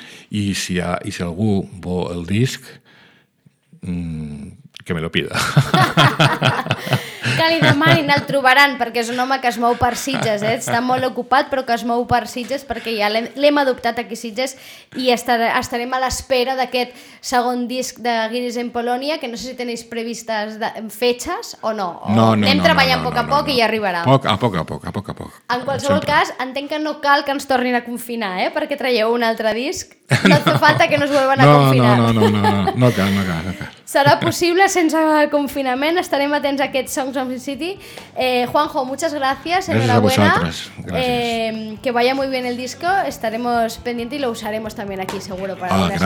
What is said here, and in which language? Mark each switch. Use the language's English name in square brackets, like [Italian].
[Catalan] Y si algú vol el disc, [Spanish] que me lo pida. [Catalan] Que li demanin, el trobaran, perquè és un home que es mou per Sitges, està molt ocupat, però que es mou per Sitges, perquè ja l'hem adoptat aquí a Sitges, i estarem a l'espera d'aquest segon disc de Guiris en Polònia, que no sé si tenéis previstes fetges o no. Anem treballant a poc a poc. I arribarà. A poc a poc. En qualsevol cas, entenc que no cal que ens tornin a confinar, perquè traieu un altre disc. [Spanish] No fa falta que no es vuelvan a confinar. [Catalan] No cal. Serà possible sense confinament. Estarem atents a aquest Songs of the City. [Spanish] Juanjo, muchas gracias. Gracias a vosotros. Gracias. Que vaya muy bien el disco. Estaremos pendientes y lo usaremos también aquí, seguro, para la